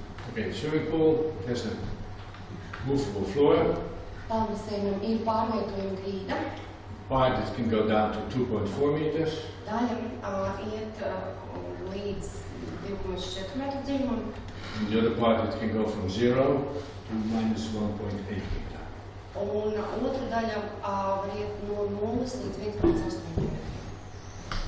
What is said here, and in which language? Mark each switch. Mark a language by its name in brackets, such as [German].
[English] Okay, swimming pool has a movable floor. [Latvian] Ir pārvietojuma grīda. [English] Part that can go down to 2.4 meters. [Latvian] Daļa iet līdz 2.4 metru dziļumam. [English] The other part that can go from 0 to minus 1.8 meters. [Latvian] Un otra daļa var iet no 0 līdz 1.8.